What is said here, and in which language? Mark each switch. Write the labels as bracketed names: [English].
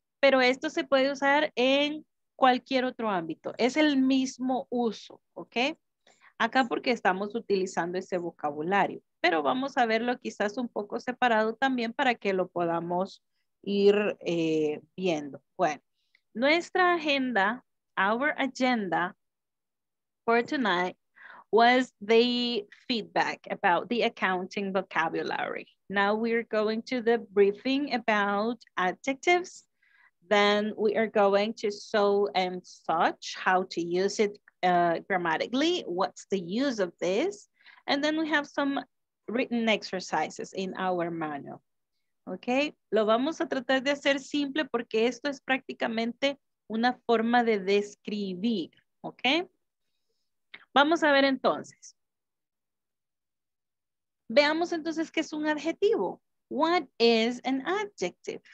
[Spanish] Pero esto se puede usar en cualquier otro ámbito. Es el mismo uso, ¿ok? Acá porque estamos utilizando ese vocabulario. Pero vamos a verlo quizás un poco separado también para que lo podamos ir viendo. Bueno, nuestra agenda, [English] our agenda for tonight was the feedback about the accounting vocabulary. Now we're going to the briefing about adjectives. Then we are going to so and such, how to use it grammatically, what's the use of this? And then we have some written exercises in our manual. [Spanish] Ok, lo vamos a tratar de hacer simple porque esto es prácticamente una forma de describir. Ok, vamos a ver entonces. Veamos entonces qué es un adjetivo. [English] What is an adjective?